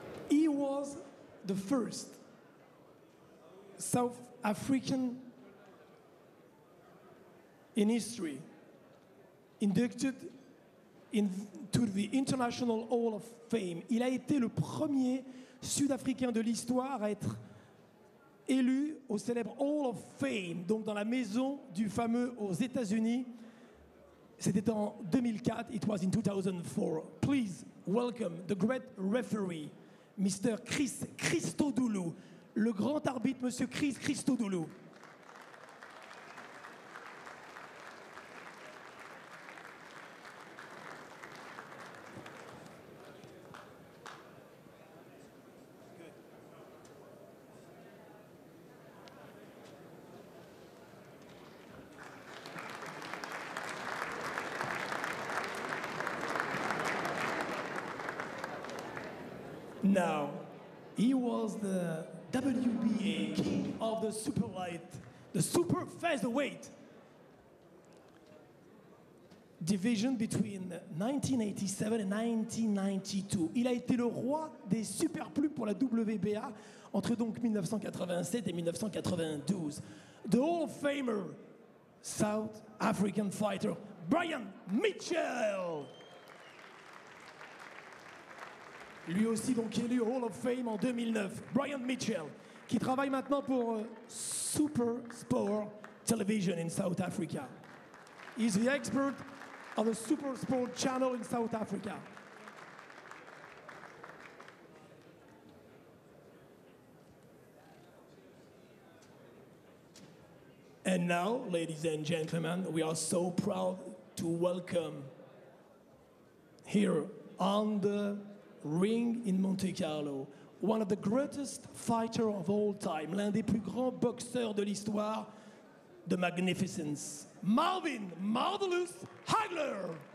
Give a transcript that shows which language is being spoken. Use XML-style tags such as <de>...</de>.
<en>He was the first South African in history inducted into the International Hall of Fame.</en> <fr>Il a été le premier Sud-Africain de l'histoire à être élu au célèbre Hall of Fame, donc dans la maison du fameux aux États-Unis. C'était en 2004.</fr> <en>It was in 2004. Please welcome the great referee, Mr.</en> <fr>Chris Christodoulou, le grand arbitre, Monsieur Chris Christodoulou.</fr> <en>Now, he was the WBA king of the super light, the super featherweight division between 1987 and 1992.</en> <fr>Il a été le roi des super plumes pour la WBA entre donc 1987 et 1992.</fr> <en>The Hall of Famer, South African fighter, Brian Mitchell.</en> <fr>Lui aussi donc élu au Hall of Fame en 2009, Brian Mitchell, qui travaille maintenant pour Super Sport Television</fr> <en>in South Africa. He's the expert of the Super Sport Channel in South Africa. And now, ladies and gentlemen, we are so proud to welcome here on the ring in Monte Carlo, one of the greatest fighters of all time,</en> <fr>l'un des plus grands boxeurs de l'histoire,</fr> <en>the magnificence, Marvin Marvelous Hagler.</en>